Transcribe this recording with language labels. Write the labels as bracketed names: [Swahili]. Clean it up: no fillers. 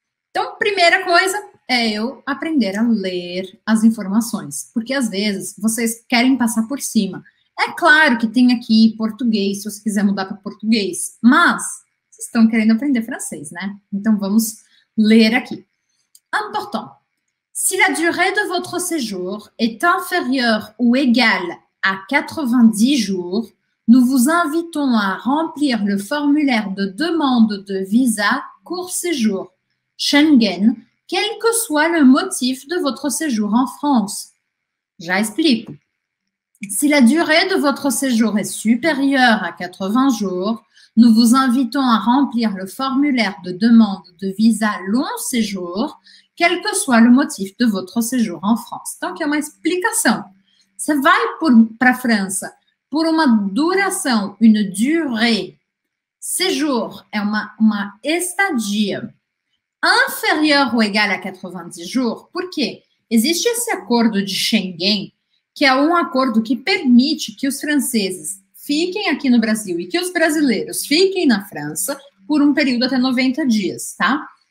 [Portuguese] Então, primeira coisa é eu aprender a ler as informações. Porque, às vezes, vocês querem passar por cima. É claro que tem aqui português, se você quiser mudar para português. Mas, vocês estão querendo aprender francês, né? Então, vamos ler aqui. Important. [French] Si la durée de votre séjour est inférieure ou égale à 90 jours, nous vous invitons à remplir le formulaire de demande de visa court séjour Schengen, quel que soit le motif de votre séjour en France. J'explique. Si la durée de votre séjour est supérieure à 80 jours, nous vous invitons à remplir le formulaire de demande de visa long séjour, quel que soit le motif de votre séjour en France. Donc, il y a une explication. [Portuguese] Você vai para a França por uma duração, [French] une durée, [Portuguese] séjour, é uma estadia, [French] inférieure ou égale à 90 jours. [Portuguese] Por quê? Existe esse acordo de Schengen, que é um acordo que permite que os franceses fiquem aqui no Brasil e que os brasileiros fiquem na França por um período até 90 dias, tá?